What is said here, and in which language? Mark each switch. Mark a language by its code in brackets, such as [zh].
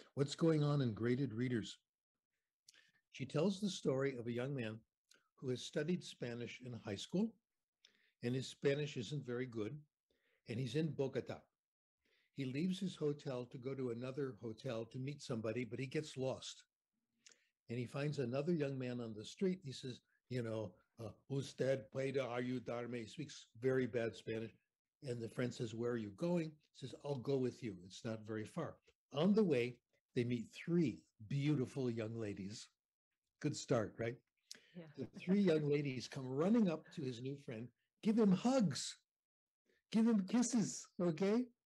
[en] What's going on in graded readers? She tells the story of a young man who has studied Spanish in high school, and his Spanish isn't very good, and he's in Bogota. He leaves his hotel to go to another hotel to meet somebody, but he gets lost. And he finds another young man on the street. He says, you know, [es] usted puede ayudarme. [en] He speaks very bad Spanish. And the friend says, where are you going? He says, I'll go with you. It's not very far. On the way, they meet three beautiful young ladies. Good start, right? Yeah. The three young ladies come running up to his new friend, give him hugs, give him kisses, okay?